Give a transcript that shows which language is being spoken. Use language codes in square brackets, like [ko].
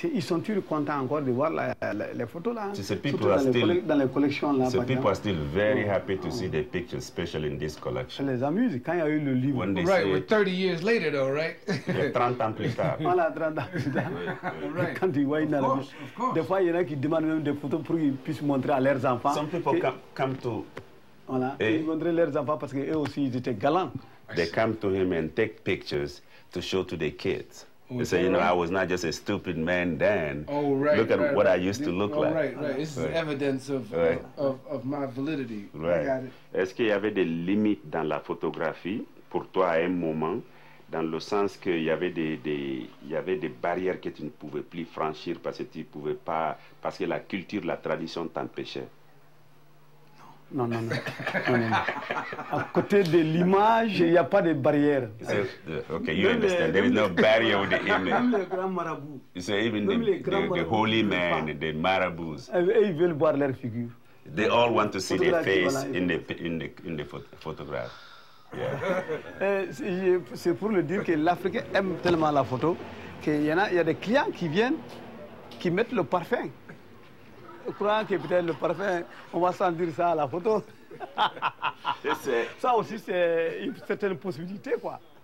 [fr] Ils sont toujours contents encore de voir les photos là. Dans les collections là. [en] Ces people are still very happy to see the pictures, especially in this collection. [fr] Ça les amuse quand il y a eu le livre. [en] Right, we're 30 years later though, right? [fr] 30 ans plus tard. Voilà, 30 ans plus tard. Right. Quand ils voient [en] of course. [fr] Des fois, il y en a qui demandent même des photos pour qu'ils puissent montrer à leurs enfants. [en] Some people come to. [fr] Voilà, ils montrent leurs enfants parce qu'eux aussi, ils étaient galants. [en] They come to him and take pictures to show to their kids. Oh, you say, you know, I was not just a stupid man then. Oh, right. Look at right, what right. I used to look like. Right, right. This is right. Evidence of my validity. Right. [fr] Est-ce qu'il y avait des limites dans la photographie pour toi à un moment, dans le sens qu'il y avait des barrières que tu ne pouvais plus franchir parce que tu ne pouvais pas, parce que la culture, la tradition t'empêchait? Non. À côté de l'image, il n'y a pas de barrière. [en] Ok, you understand. There is no barrier with the image. [fr] Même les grands marabouts. [en] You say even the holy men, the marabouts. [fr] Ils veulent voir leur figure. [en] They all want to see their face in the photograph. Yeah. [fr] C'est pour le dire que l'Africain aime tellement la photo que il y a des clients qui viennent qui mettent le parfum. Je crois que peut-être le parfum, on va sentir ça à la photo. Ça aussi, c'est une certaine possibilité, quoi.